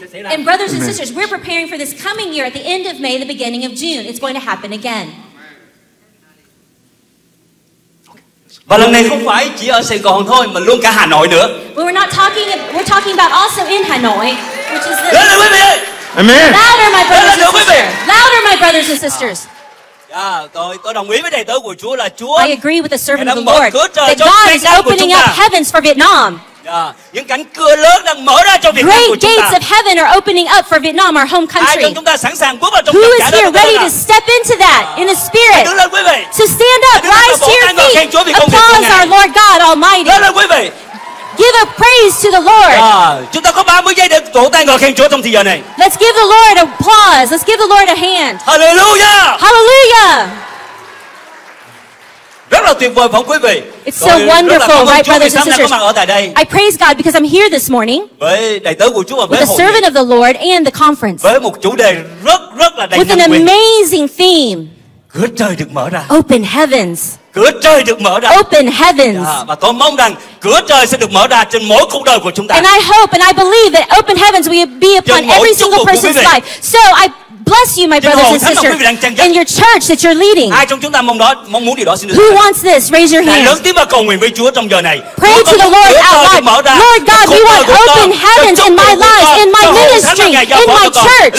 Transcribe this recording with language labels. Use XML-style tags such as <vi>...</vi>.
<en>And brothers and sisters, we're preparing for this coming year at the end of May, the beginning of June. It's going to happen again.</en> <vi>Và lần này không phải chỉ ở Sài Gòn thôi mà luôn cả Hà Nội nữa.</vi> <en>But we're not talking. We're talking about also in Hanoi, which is the. Louder, my amen. Louder, my brothers and sisters. Louder, my brothers and sisters.</en> <vi>Tôi đồng ý với đề tớ của Chúa là Chúa.</vi> <en>I agree with the servant of the Lord that God is opening up heavens for Vietnam.</en> <vi>Những cánh cửa lớn đang mở ra cho Việt Nam của chúng ta.</vi> <en>Great gates of heaven are opening up for Vietnam, our home country.</en> <vi>Ai trong chúng ta sẵn sàng bước vào trong cánh cửa đó?</vi> <en>Who is here ready to step into that in the spirit?</en> <vi>Đứng lên quý vị.</vi> <en>So stand up, rise to your feet. Applause our Lord God Almighty.</en> <vi>Đứng lên quý vị.</vi> <en>Give a praise to the Lord.</en> <vi>Chúng ta có 30 giây để vỗ tay ngợi khen Chúa trong thời giờ này.</vi> <en>Let's give the Lord an applause. Let's give the Lord a hand. Hallelujah. Hallelujah.</en> <vi>Rất là tuyệt vời phải quý vị.</vi> <en>It's so wonderful, right, brothers and sisters? I praise God because I'm here this morning with a servant of the Lord and the conference.</en> <vi>Với một chủ đề rất là đầy</vi> <en>with an amazing theme.</en> <vi>Cửa trời được mở ra.</vi> <en>Open heavens.</en> <vi>Cửa trời được mở ra.</vi> <en>Open heavens.</en> <vi>Và tôi mong rằng cửa trời sẽ được mở ra trên mỗi cuộc đời của chúng ta.</vi> <en>And I hope and I believe that open heavens will be upon every single person's life. So I bless you, my brothers and sisters, and your church that you're leading.</en> <vi>Ai trong chúng ta mong muốn điều đó xin được.</vi> <en>Who wants this? Raise your hand.</en> <vi>Lớn tiếng và cầu nguyện với Chúa trong giờ này.</vi> <en>Pray to the Lord out loud. Lord God, we want open heavens in my life, in my ministry, in my church.</en>